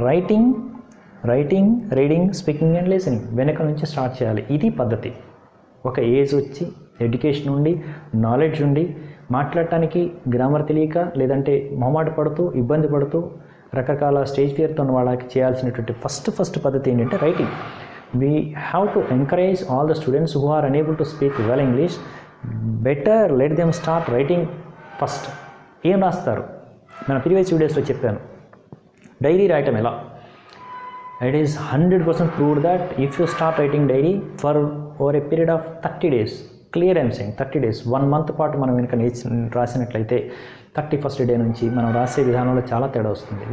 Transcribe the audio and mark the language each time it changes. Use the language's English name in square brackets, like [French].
[Telugu] Writing reading speaking and listening వెనక నుంచి start చేయాలి. ఇది పద్ధతి. ఒక ఏజ్ వచ్చి ఎడ్యుకేషన్ ఉండి నాలెడ్జ్ ఉండి మాట్లాడటానికి గ్రామర్ తెలియక లేదంటే మొహమాట పడుతూ ఇబ్బంది పడుతూ రకరకాల స్టేజ్ ఫియర్తో ఉన్న వాళ్ళకి చేయాల్సినటువంటి ఫస్ట్ పద్ధతి ఏంటంటే writing. [English] We have to encourage all the students who are unable to speak well English, better let them start writing first. [Telugu] ఏం రాస్తారు? నేను ప్రీవియస్ వీడియోస్లో చెప్పాను, డైరీ రాయటం ఎలా. [English] it is 100% proved that if you start writing diary for over a period of 30 days, clear I'm saying, 30 days, [Telugu] 1 month పాటు మనం వెనుక రాసినట్లయితే 31st డే నుంచి మనం రాసే విధానంలో చాలా తేడా వస్తుంది.